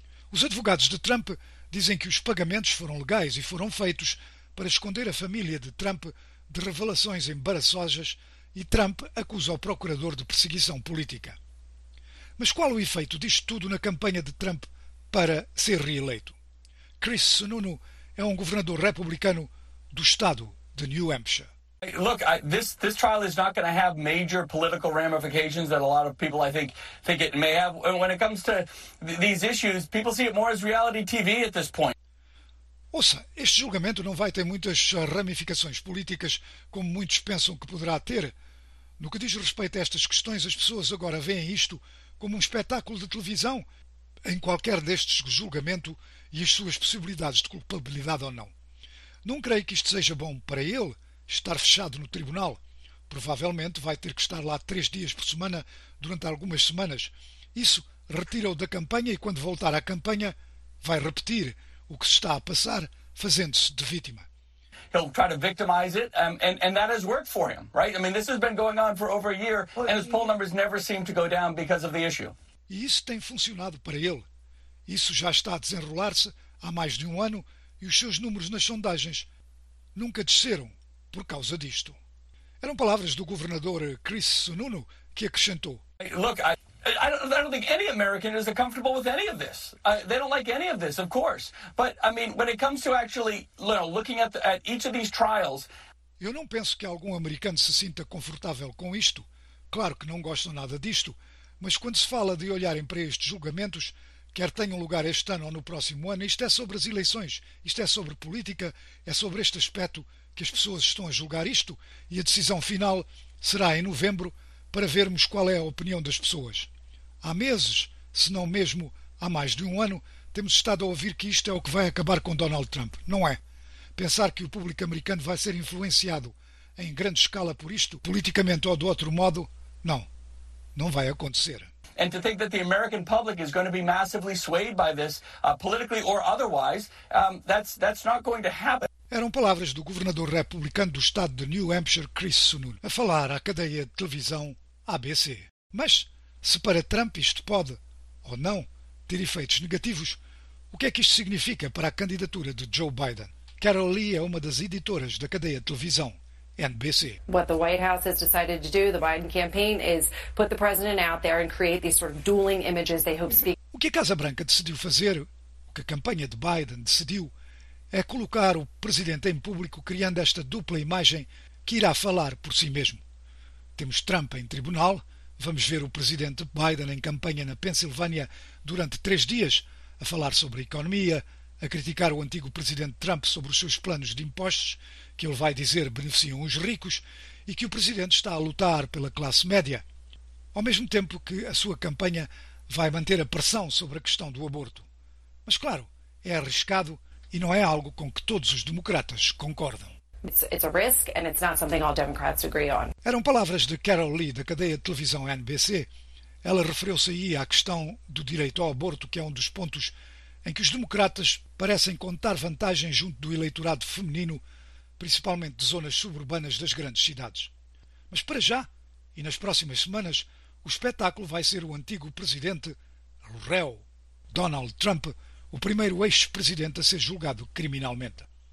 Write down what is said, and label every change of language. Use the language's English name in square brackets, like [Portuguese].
[Portuguese] Os advogados de Trump dizem que os pagamentos foram legais e foram feitos para esconder a família de Trump de revelações embaraçosas, e Trump acusa o procurador de perseguição política. Mas qual o efeito disto tudo na campanha de Trump para ser reeleito? Chris Sununu é um governador republicano do estado de New Hampshire. [English] Look, this trial is not going to have major political ramifications that a lot of people, I think it may have. When it comes to these issues, people see it more as reality TV at this point. [Portuguese] Ouça, este julgamento não vai ter muitas ramificações políticas, como muitos pensam que poderá ter. No que diz respeito a estas questões, as pessoas agora veem isto como um espetáculo de televisão, em qualquer destes julgamento e as suas possibilidades de culpabilidade ou não. Não creio que isto seja bom para ele, estar fechado no tribunal. Provavelmente vai ter que estar lá 3 dias por semana durante algumas semanas. Isso retira-o da campanha e, quando voltar à campanha, vai repetir o que se está a passar, fazendo-se de vítima. [English] He'll try to victimize it, and that has worked for him, right? I mean, this has been going on for over a year, and his poll numbers never seem to go down because of the issue. [Portuguese] E isso tem funcionado para ele. Isso já está a desenrolar-se há mais de um ano, e os seus números nas sondagens nunca desceram por causa disto. Eram palavras do governador Chris Sununu, que acrescentou: [English] Look, I don't think any American is comfortable with any of this. They don't like any of this, of course. But I mean, when it comes to actually, you know, looking at each of these trials, [Portuguese] eu não penso que algum americano se sinta confortável com isto. Claro que não gostam nada disto, mas quando se fala de olharem para estes julgamentos, quer tenham lugar este ano ou no próximo ano, isto é sobre as eleições, isto é sobre política, é sobre este aspecto que as pessoas estão a julgar isto, e a decisão final será em novembro, para vermos qual é a opinião das pessoas. Há meses, se não mesmo há mais de um ano, temos estado a ouvir que isto é o que vai acabar com Donald Trump. Não é. Pensar que o público americano vai ser influenciado em grande escala por isto, politicamente ou de outro modo, não. Não vai acontecer. [English] And to think that the American public is going to be massively swayed by this, politically or otherwise, that's not going to happen. [Portuguese] Eram palavras do governador republicano do estado de New Hampshire, Chris Sununu, a falar à cadeia de televisão ABC. Mas, se para Trump isto pode, ou não, ter efeitos negativos, o que é que isto significa para a candidatura de Joe Biden? Carol Lee é uma das editoras da cadeia de televisão NBC. [English] What the White House has decided to do, the Biden campaign, is put the president out there and create these sort of dueling images they hope speak. [Portuguese] O que a Casa Branca decidiu fazer, o que a campanha de Biden decidiu, é colocar o presidente em público, criando esta dupla imagem que irá falar por si mesmo. Temos Trump em tribunal, vamos ver o presidente Biden em campanha na Pensilvânia durante 3 dias, a falar sobre a economia, a criticar o antigo presidente Trump sobre os seus planos de impostos, que ele vai dizer beneficiam os ricos, e que o presidente está a lutar pela classe média, ao mesmo tempo que a sua campanha vai manter a pressão sobre a questão do aborto. Mas claro, é arriscado, e não é algo com que todos os democratas concordam. [English] It's a risk, and it's not something all Democrats agree on. [Portuguese] Eram palavras de Carol Lee, da cadeia de televisão NBC. Ela referiu-se aí à questão do direito ao aborto, que é um dos pontos em que os democratas parecem contar vantagem junto do eleitorado feminino, principalmente de zonas suburbanas das grandes cidades. Mas para já, e nas próximas semanas, o espetáculo vai ser o antigo presidente, o réu Donald Trump, o primeiro ex-presidente a ser julgado criminalmente.